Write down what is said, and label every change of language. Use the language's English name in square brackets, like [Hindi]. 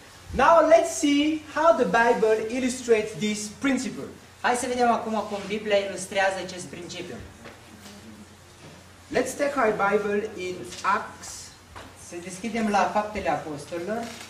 [English] Now let's see how the Bible illustrates this principle. [Romanian] Hai să vedem acum cum Biblia ilustrează acest principiu. [English] Let's take our Bible in Acts. [Romanian] Să deschidem la Faptele Apostolilor.